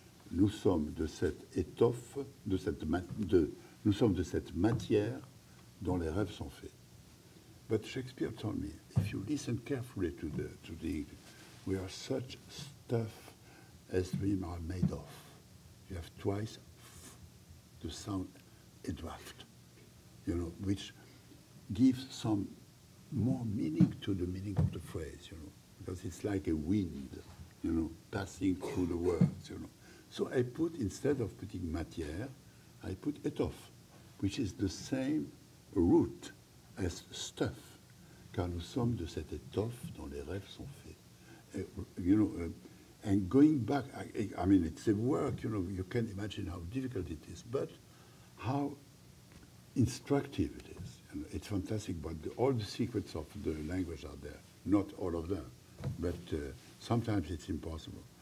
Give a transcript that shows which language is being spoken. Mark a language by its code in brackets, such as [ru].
[fr] Nous sommes de cette étoffe, nous sommes de cette matière dont les rêves sont faits. [en] But Shakespeare told me, if you listen carefully to the English, we are such stuff as dreams are made of. You have twice the sound a draft, you know, which gives some more meaning to the meaning of the phrase, you know, because it's like a wind, you know, passing through the words, you know. So I put, instead of putting matière, I put étoffe, which is the same root as stuff. [fr] Car nous sommes de cette étoffe dont les rêves sont faits. [en] You know, and going back, I mean, it's a work, you know, you can't imagine how difficult it is, but how instructive it is. And it's fantastic, but all the secrets of the language are there. Not all of them, but sometimes it's impossible.